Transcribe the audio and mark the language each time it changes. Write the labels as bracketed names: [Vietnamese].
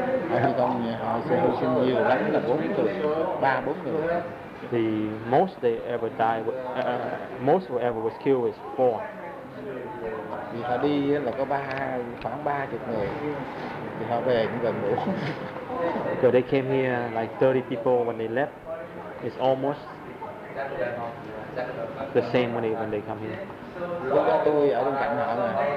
[Vietnamese] Phi công thì họ sẽ hy sinh nhiều lắm, là 4 người, 3-4 người. [English] The most they ever died, most ever was killed is 4. [Vietnamese] Thì họ đi là có khoảng 30 người. Thì họ về cũng gần nửa. [English] So they came here like 30 people when they left. It's almost the same when they come here. [Vietnamese] Lúc đó tôi ở bên cạnh họ mà.